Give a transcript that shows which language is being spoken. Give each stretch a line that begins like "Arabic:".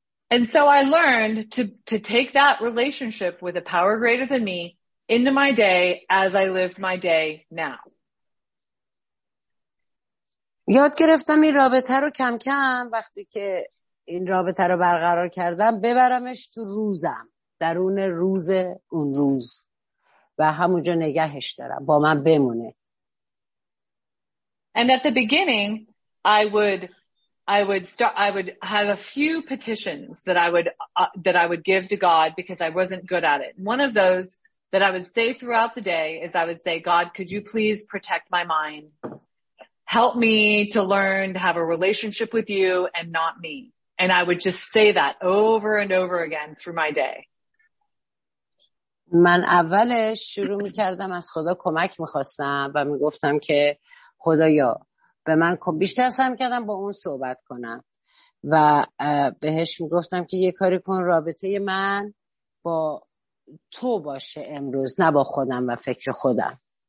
English: And so I learned to take that relationship with a power greater than me into my day as I lived my day now.
Persian: یاد گرفتم این رابطه رو کم کم وقتی که این رابطه رو برقرار کردم ببرمش تو روزم، درون روز اون روز، و همونجا نگهش دارم با من بمونه.
English: And at the beginning I would have a few petitions that I would give to God because I wasn't good at it. One of those that I would say throughout the day is I would say, God, could you please protect my mind? Help me to learn to have a relationship with you and not me. And I would just say that over and over again through my day.
Persian: من اولش شروع میکردم از خدا کمک میخواستم و میگفتم که خدایا به من کم، بیشتر سعی میکردم با اون صحبت کنم و بهش میگفتم که یه کاری کن رابطه من با تو باشه امروز، نه با خودم و فکر خودم.